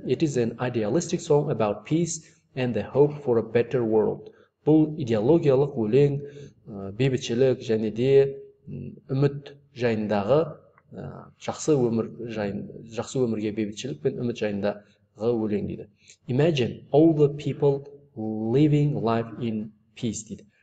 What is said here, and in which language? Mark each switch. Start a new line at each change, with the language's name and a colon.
English: It is an idealistic song about peace and the hope for a better world.
Kazakh: Бұл идеологиялық өлең, бейбітшілік және де үміт жайындағы жақсы өмір жақсы өмірге бейбітшілік пен үміт жайындағы өлең дейді.
English: Imagine all the people living life in peace
Kazakh: дейді.